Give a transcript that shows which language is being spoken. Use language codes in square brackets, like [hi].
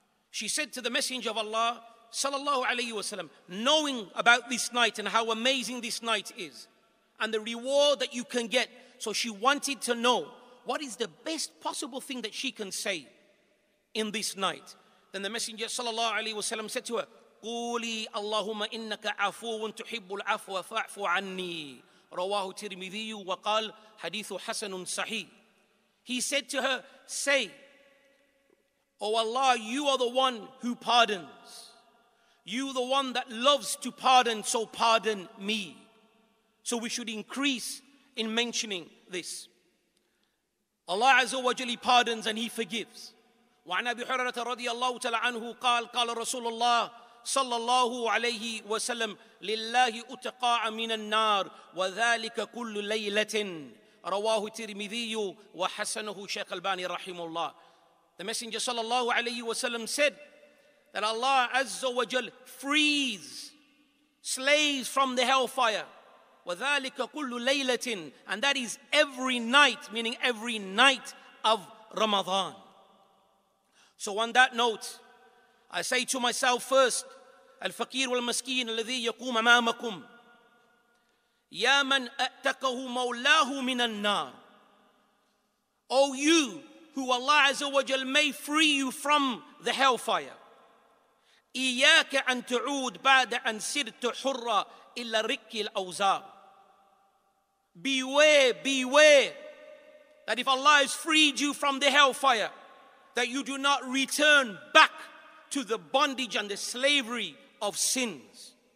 [en] She said to the Messenger of Allah sallallahu alayhi wa sallam, knowing about this night and how amazing this night is and the reward that you can get, so she wanted to know what is the best possible thing that she can say in this night. Then the Messenger sallallahu alayhi wa sallam said to her, [ar] قولي اللهم إنك عفو تحب العفو فاعف عني رواه الترمذي وقال حديث حسن صحيح. [en] He said to her, say, oh Allah, you are the one who pardons, you the one that loves to pardon, so pardon me. So we should increase in mentioning this. Allah Azza wa Jalla pardons and he forgives. [ar] وعن أبي هريرة رضي الله تعالى عنه قال قال رسول الله صلى الله عليه وسلم لله أتقى من النار وذلك كل ليلة رواه الترمذي وحسنه شيخ الباني رحمه الله. [en] The Messenger [ar] صلى الله عليه وسلم [en] said that Allah [ar] عز وجل [en] frees slaves from the hellfire [ar] وذلك كل ليلة, [en] and that is every night, meaning every night of Ramadan. So on that note, I say to myself first, [ar] الفقير والمسكين الذي يقوم أمامكم يا من أتقه مولاه من النار. [en] O you who Allah Azza wa Jal may free you from the hellfire, [ar] إياك أن تعود بعد أن سرت حرا إلا ركي الأوزار. [en] Beware, beware that if Allah has freed you from the hellfire, that you do not return back to the bondage and the slavery of sins.